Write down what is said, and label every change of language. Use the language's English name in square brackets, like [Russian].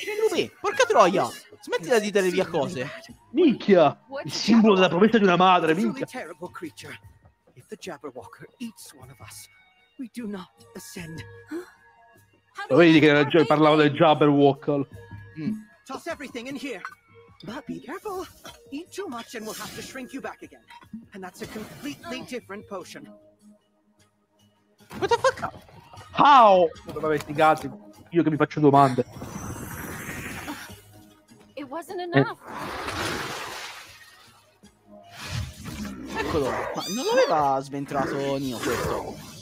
[Italian] Lupi, porca troia, smettila di dare via cose. Minchia, il simbolo della promessa di una madre, minchia. [English] If the Jabberwocker eats one of us, we do not ascend. Huh? [Italian] Vedi che parlavo del Jabberwocker. [English] Toss everything in here. But be careful. Eat too much and we'll have to shrink you back again. And that's a completely different potion. What the fuck? How? [Italian] Vabbè, sti gatti, io che mi faccio domande. [English] It wasn't enough. [Italian] Eccolo, ma non l'aveva sventrato Nio questo?